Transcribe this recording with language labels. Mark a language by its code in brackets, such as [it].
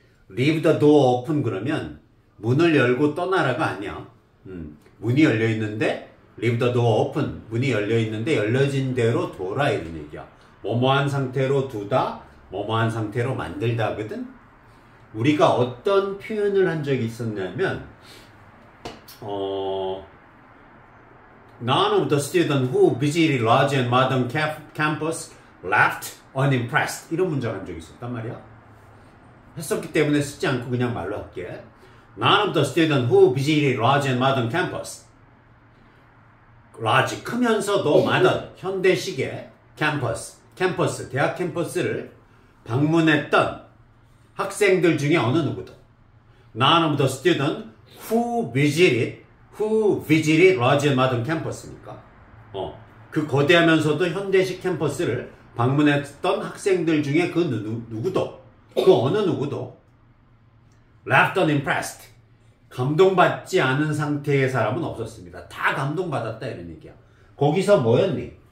[en] leave the door open [ko] 그러면 문을 열고 떠나라가 아니야. 문이 열려있는데 [en] leave the door open [ko] 문이 열려있는데 열려진 대로 둬라 이런 얘기야. 뭐뭐한 상태로 두다 뭐뭐한 상태로 만들다거든. 우리가 어떤 표현을 한 적이 있었냐면 [en] None of the students who visited large and modern campus left unimpressed. [ko] 이런 문장 한 적이 있었단 말이야. 했었기 때문에 쓰지 않고 그냥 말로 할게. [en] None of the students who visited large and modern campus. [ko] large, 크면서도 많은 현대식의 캠퍼스, 대학 캠퍼스를 방문했던 학생들 중에 어느 누구도. [en] None of the students who visited large and modern campus [ko] 니까. 그 거대하면서도 현대식 캠퍼스를 방문했던 학생들 중에 그 어느 누구도 [en] left unimpressed. [ko] 감동받지 않은 상태의 사람은 없었습니다. 다 감동받았다 이런 얘기야. 거기서 뭐였니?